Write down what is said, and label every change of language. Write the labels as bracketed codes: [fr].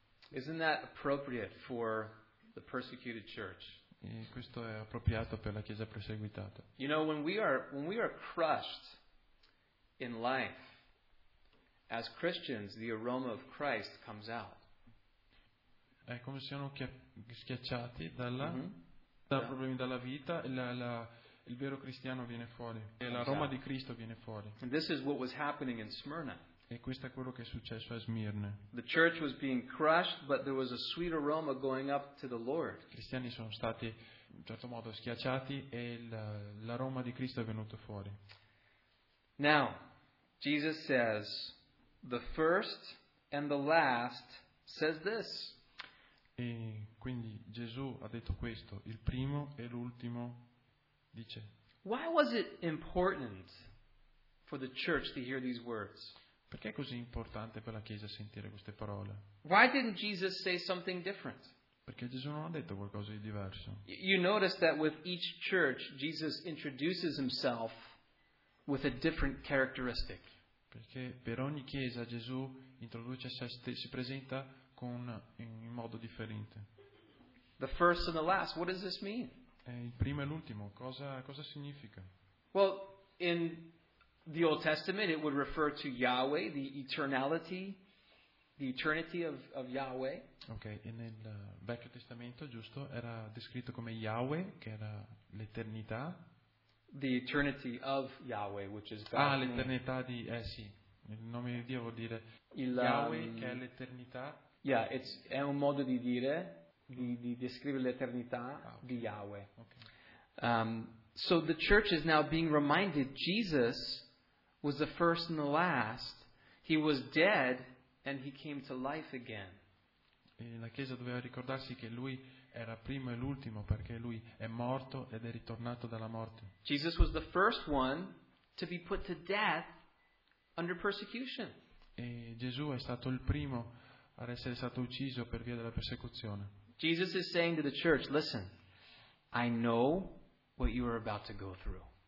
[en] Isn't that appropriate for the persecuted church? [it] E questo è appropriato per la chiesa perseguitata. [en] You know, when we are crushed in life as Christians, the aroma of Christ comes out. [it] È come se siano schiacciati ha problemi dalla vita, il vero cristiano viene fuori, e la Roma di Cristo viene fuori. [en] And this is what was happening in Smyrna. [it] E questo è quello che è successo a Smirne. [en] The church was being crushed, but there was a sweet aroma going up to the Lord. [it] I cristiani sono stati in certo modo schiacciati e l'aroma di Cristo è venuto fuori. [en] Now, Jesus says, the first and the last says this. [it] E quindi Gesù ha detto questo, il primo e l'ultimo dice. [en] Why was it important for the church to hear these words? [it] Perché è così importante per la Chiesa sentire queste parole? [en] Why didn't Jesus say something different? [it] Perché Gesù non ha detto qualcosa di diverso. [en] You notice that with each church, Jesus introduces himself with a different characteristic. [it] Perché per ogni chiesa Gesù introduce se stesso, si presenta in modo differente. [en] The first and the last. What does this mean? [it] Il primo e l'ultimo. Cosa significa? [en] Well, in the Old Testament, it would refer to Yahweh, the eternity of Yahweh. [it] Okay, e nel Vecchio Testamento, giusto, era descritto come Yahweh, che era l'eternità. [en] The eternity of Yahweh, which is God. [it] Ah, l'eternità di, sì, il nome di Dio vuol dire Yahweh, che è l'eternità. Yeah, è un modo di dire, di descrivere l'eternità di Yahweh. Okay. [en] So the church is now being reminded Jesus was the first and the last. He was dead and he came to life again. [it] E la chiesa doveva ricordarsi che lui era primo e l'ultimo perché lui è morto ed è ritornato dalla morte. [en] Jesus was the first one to be put to death under persecution. [it] E Gesù è stato il primo ad essere stato ucciso per via della persecuzione. [en] Jesus is saying to the church, listen, I know what you are about to go through.